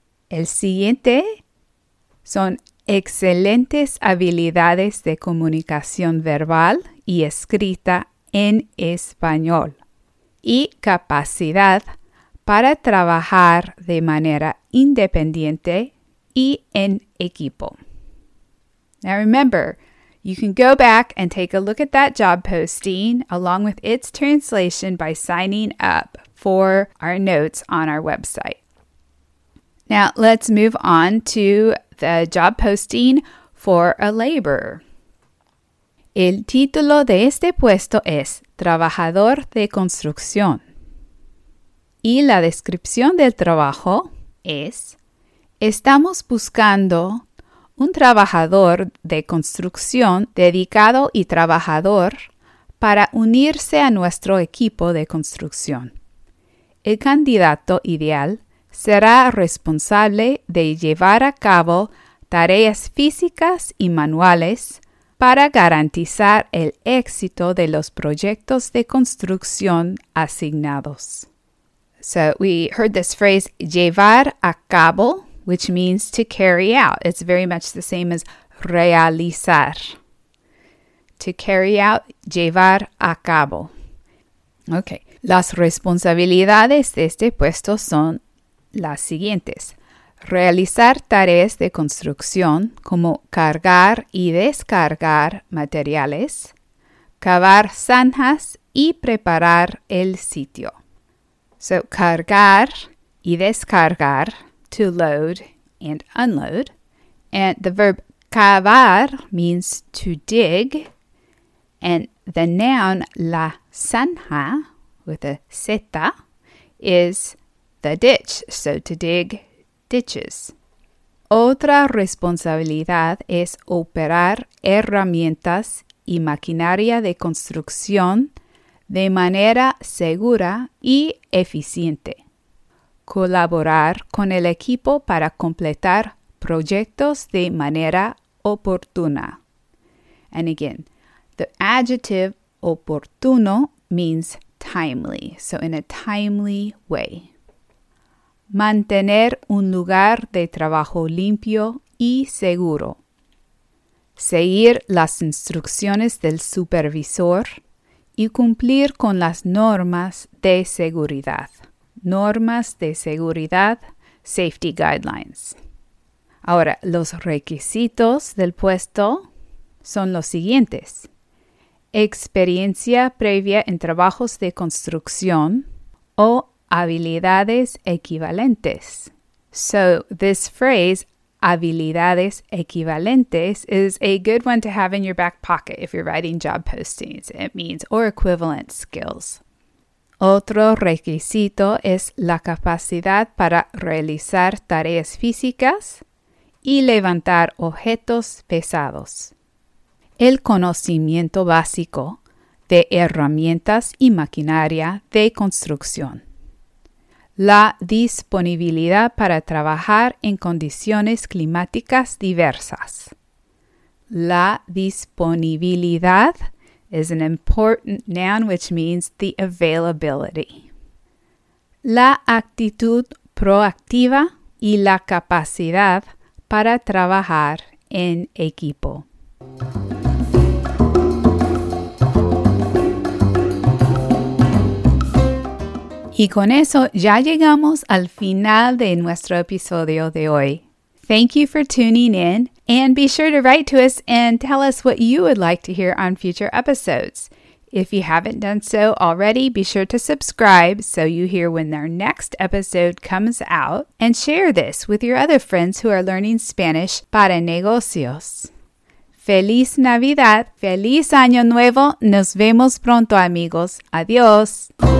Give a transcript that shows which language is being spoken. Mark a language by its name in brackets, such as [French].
[Spanish] El siguiente son excelentes habilidades de comunicación verbal y escrita en español. Y capacidad para trabajar de manera independiente y en equipo. [English] Now remember, you can go back and take a look at that job posting along with its translation by signing up for our notes on our website. Now let's move on to the job posting for a laborer. [Spanish] El título de este puesto es Trabajador de Construcción. Y la descripción del trabajo es Estamos buscando un trabajador de construcción dedicado y trabajador para unirse a nuestro equipo de construcción. El candidato ideal será responsable de llevar a cabo tareas físicas y manuales para garantizar el éxito de los proyectos de construcción asignados. [English] So we heard this phrase, [Spanish] llevar a cabo, [English] which means to carry out. It's very much the same as realizar. To carry out, [Spanish] llevar a cabo. [English] Okay. [Spanish] Las responsabilidades de este puesto son las siguientes. Realizar tareas de construcción como cargar y descargar materiales, cavar zanjas y preparar el sitio. [English] So, [Spanish] cargar y descargar, [English] to load and unload. And the verb cavar means to dig. And the noun la zanja with a zeta is the ditch. So to dig ditches. [Spanish] Otra responsabilidad es operar herramientas y maquinaria de construcción de manera segura y eficiente. Colaborar con el equipo para completar proyectos de manera oportuna. [English] And again, the adjective oportuno means timely, so in a timely way. [Spanish] Mantener un lugar de trabajo limpio y seguro. Seguir las instrucciones del supervisor y cumplir con las normas de seguridad. Normas de seguridad, [English] safety guidelines. [Spanish] Ahora, los requisitos del puesto son los siguientes. experiencia previa en trabajos de construcción o habilidades equivalentes. [English] So this phrase, [Spanish] habilidades equivalentes, [English] is a good one to have in your back pocket if you're writing job postings. It means, or equivalent skills. [Spanish] Otro requisito es la capacidad para realizar tareas físicas y levantar objetos pesados. El conocimiento básico de herramientas y maquinaria de construcción. La disponibilidad para trabajar en condiciones climáticas diversas. La disponibilidad [English] is an important noun which means the availability. [Spanish] La actitud proactiva y la capacidad para trabajar en equipo. Y con eso ya llegamos al final de nuestro episodio de hoy. [English] Thank you for tuning in, and be sure to write to us and tell us what you would like to hear on future episodes. If you haven't done so already, be sure to subscribe so you hear when their next episode comes out, and share this with your other friends who are learning Spanish [Spanish] para negocios. ¡Feliz Navidad! ¡Feliz Año Nuevo! ¡Nos vemos pronto, amigos! ¡Adiós!